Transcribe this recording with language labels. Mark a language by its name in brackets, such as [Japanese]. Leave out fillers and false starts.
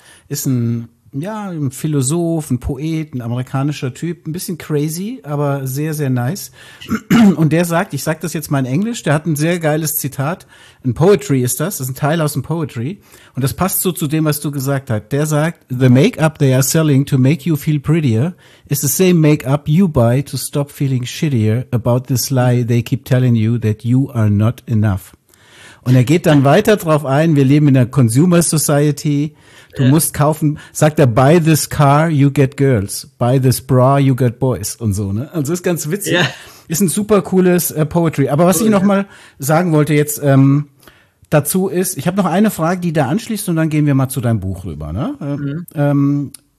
[German] Ist ein, ja, ein Philosoph, ein Poet, ein amerikanischer Typ. Ein bisschen crazy, aber sehr, sehr nice. Und der sagt, ich sage das jetzt mal in Englisch, der hat ein sehr geiles Zitat. Ein Poetry ist das, das ist ein Teil aus dem Poetry. Und das passt so zu dem, was du gesagt hast. Der sagt, [English] the makeup they are selling to make you feel prettier is the same makeup you buy to stop feeling shittier about this lie they keep telling you that you are not enough. [German] Und er geht dann weiter drauf ein, wir leben in einer Consumer Society, du musst kaufen, sagt er, [English] buy this car, you get girls, buy this bra, you get boys [German] und so. Ne? Also ist ganz witzig, ist ein super cooles Poetry. Aber was ich nochmal sagen wollte jetzt dazu ist, ich habe noch eine Frage, die da anschließt und dann gehen wir mal zu deinem Buch rüber. Ne?